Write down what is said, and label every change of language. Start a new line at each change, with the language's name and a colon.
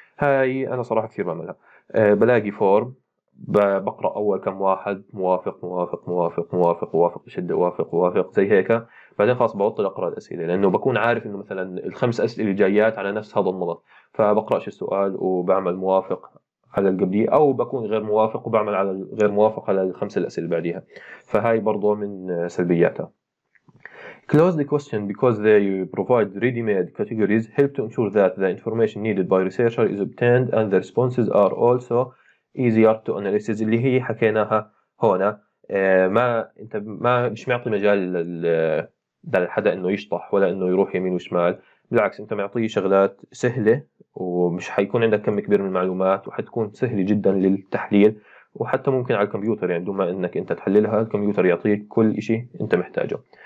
Arabic: هاي أنا صراحة كثير بعملها، بلاقي فورم بقرأ أول كم واحد موافق موافق موافق موافق موافق بشدة وافق وافق زي هيك، بعدين خلاص ببطل أقرأ الأسئلة لأنه بكون عارف إنه مثلا الخمس أسئلة جايات على نفس هذا النمط، فبقرأش السؤال وبعمل موافق على القبلية، أو بكون غير موافق وبعمل على غير موافق على الخمس الأسئلة بعديها، فهاي برضو من سلبياتها.
English: Close the question because they provide ready-made categories help to ensure that the information needed by researcher is obtained and the responses are also easier to analysis.
Arabic: اللي هي حكيناها هنا، ما انت ما مش معطي مجال للحدا انه يشطح ولا انه يروح يمين وشمال، بالعكس انت معطيه شغلات سهله ومش حيكون عندك كم كبير من المعلومات، وحتكون سهله جدا للتحليل، وحتى ممكن على الكمبيوتر يعني دون ما انك انت تحللها الكمبيوتر يعطيك كل شيء انت محتاجه.